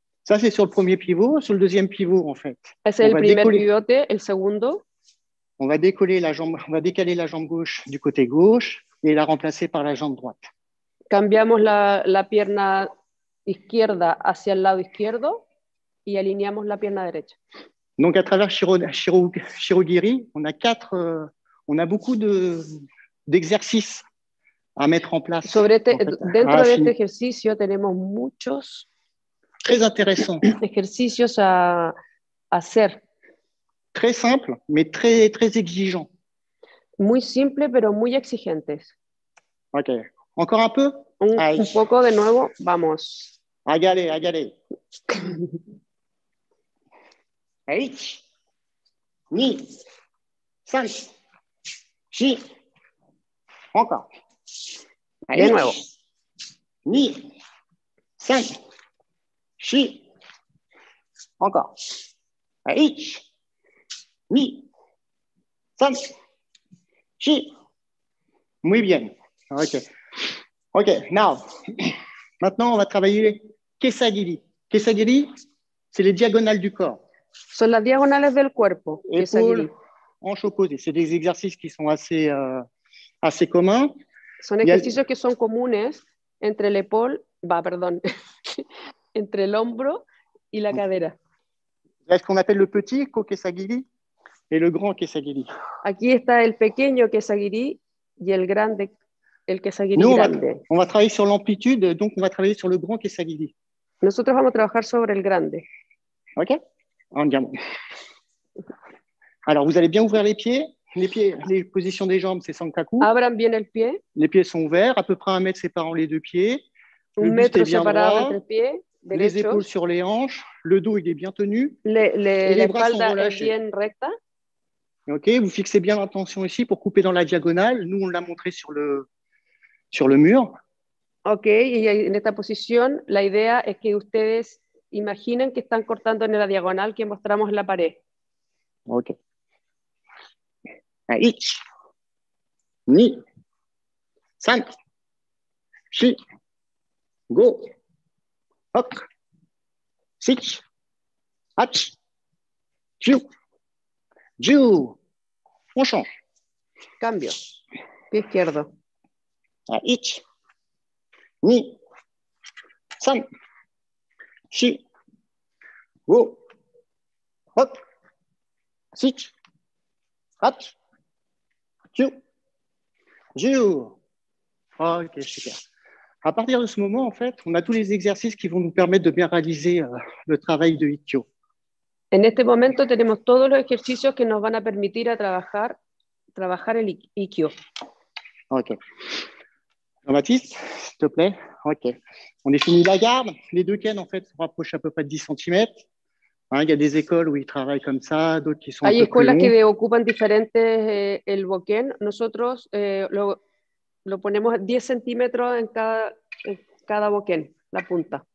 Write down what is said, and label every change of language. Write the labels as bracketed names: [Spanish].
[French] Ça c'est sur le premier pivot, sur le deuxième pivot en fait. [Spanish] Es el primer pivote, el segundo. [French] On va décaler la jambe gauche du côté gauche et la remplacer par la jambe droite. [Spanish] Cambiamos la pierna izquierda hacia el lado izquierdo y alineamos la pierna derecha. [French] Donc à travers Shirogiri, on a quatre on a beaucoup d'exercices à mettre en place. [Spanish] Dentro de este ejercicio tenemos muchos [French] très intéressants. [Spanish] Ejercicios a hacer. [French] Très simple, mais très très exigeant. [Spanish] Muy simple, pero muy exigentes. [French] Ok. Encore un peu. [Spanish] Un poco de nuevo, vamos. Agale, agale. [Japanese] H, ni, san. Si. [French] Encore. Allez, [Spanish] de nuevo. [Japanese] Ni. San. Si. Encore. Aïch. Ni. San. Si. [Spanish] Muy bien. [Japanese] Ok. [English] Ok, now. [French] Maintenant, on va travailler Kesagiri. Kesagiri, c'est les diagonales du corps. [Spanish] Son las diagonales del cuerpo. Kesagiri. [French] Hanches opposées, c'est des exercices qui sont assez communs. [Spanish] Son ejercicios que son comunes [French] entre l'épaule, [Spanish] entre l'hombro y la cadera. [French] Là, ce qu'on appelle le petit Kesagiri et le grand Kesagiri. [Spanish] Aquí está el pequeño Kesagiri y el grande, el Kesagiri [French] Nous, [Spanish] grande. [French] On va travailler sur l'amplitude, donc on va travailler sur le grand Kesagiri. [Spanish] Nosotros vamos a trabajar sobre el grande. [Italian] Ok, andiamo. [French] Alors, vous allez bien ouvrir les pieds. Les pieds, les positions des jambes, c'est sankaku. [Spanish] Abran bien el pie. [French] Les pieds sont ouverts, à peu près un mètre séparant les deux pieds. Un mètre séparant entre les pieds. les épaules sur les hanches, le dos il est bien tenu, les bras sont relâchés. [Spanish] Bien recta. [French] Ok, vous fixez bien l'intention ici pour couper dans la diagonale. Nous, on l'a montré sur le mur. [Spanish] Ok, y en esta posición, la idea es que ustedes imaginen que están cortando en la diagonal que mostramos en la pared. [Japanese] Ok. Ahí. Ni. San. Si. Go. Ok. Six. Hatch. Jiu. Jiu. [French] On change. [Spanish] Cambio. Pie izquierdo. [Japanese] Ahí. Ni, san, chi, go, hop, sit, hat, jiu, jiu. Ok, super. [French] À partir de ce moment, en fait, on a tous les exercices qui vont nous permettre de bien réaliser le travail de Ikkyo. [Spanish] En este momento tenemos todos los ejercicios que nos van a permitir a trabajar el Ikkyo. Ok. [French] Jean-Baptiste, s'il te plaît. Ok. On est fini la garde. Les deux kens, en fait, se rapprochent à peu près de 10 cm. Hein, il y a des écoles où ils travaillent comme ça, d'autres qui sont [Spanish] hay [French] un peu plus longs. Il y a des écoles qui occupent différentes le boken. [Spanish] Nosotros lo ponemos 10 cm en cada boken, la punta.